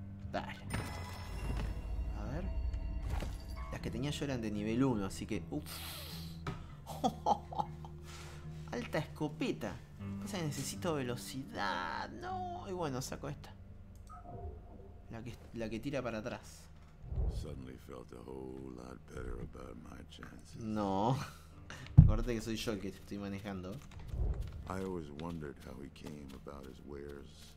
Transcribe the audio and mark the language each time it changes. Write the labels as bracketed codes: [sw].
[es] dale. A ver. Las que tenía yo eran de nivel 1, así que... uff. Alta escopeta. Pasa que necesito velocidad. No. Y bueno, saco esta. La que tira para atrás. [en] Suddenly felt a whole lot better about my chances. [es] No. Acuérdate que soy yo el que te estoy manejando. [en] I always wondered how he came about his wares.